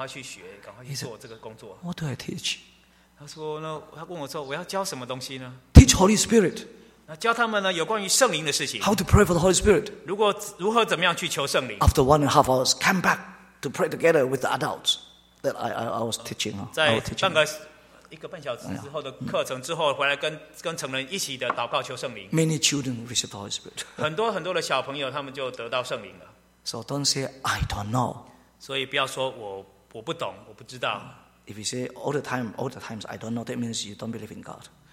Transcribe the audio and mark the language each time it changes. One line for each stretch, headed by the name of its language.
Chinese: 我说呢，叫借着神的恩典呢，赶快去学，赶快去做这个工作。
English: What do I teach?
Chinese: 他说呢，他问我说，我要教什么东西呢？
English: Teach Holy Spirit.
Chinese: 那教他们呢，有关于圣灵的事情。
English: How to pray for the Holy Spirit?
Chinese: 如何怎么样去求圣灵？
English: After 1.5 hours, come back to pray together with the adults that I was teaching.
Chinese: 在半个一个半小时之后的课程之后，回来跟成人一起的祷告求圣灵。
English: Many children receive the Holy Spirit.
Chinese: 很多很多的小朋友，他们就得到圣灵了。
English: So don't say I don't know.
Chinese: 所以不要说我不懂，我不知道。
English: If you say all the times I don't know, that means you don't believe in God.